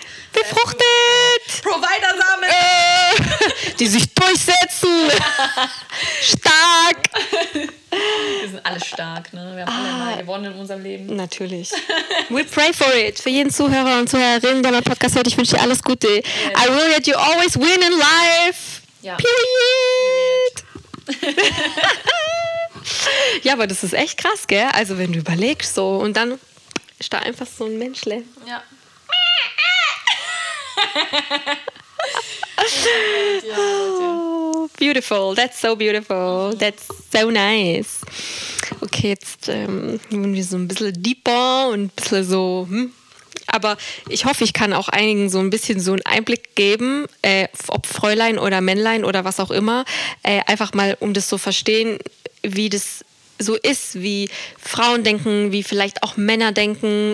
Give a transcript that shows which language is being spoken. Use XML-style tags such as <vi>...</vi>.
<de>Befruchtet! Provider-Samen! Die sich durchsetzen! Stark! Wir sind alle stark, ne? Wir haben alle mal gewonnen in unserem Leben. Natürlich.</de> <en>We pray for it.</en> <de>Für jeden Zuhörer und Zuhörerin, der mein Podcast hört, ich wünsche dir alles Gute.</de> <en>Yes. I will let you always win in life.</en> <de>Ja.</de> <en>Period!</en> <de>Ja, aber das ist echt krass, gell? Also, wenn du überlegst so und dann ist da einfach so ein Menschle. Ja.</de> <en>Oh, beautiful, that's so beautiful, that's so nice.</en> <de>Okay, jetzt wurden wir so ein bisschen deeper und ein bisschen so, aber ich hoffe, ich kann auch einigen so ein bisschen so einen Einblick geben, ob Fräulein oder Männlein oder was auch immer, einfach mal, um das zu verstehen, wie das so ist, wie Frauen denken, wie vielleicht auch Männer denken.</de>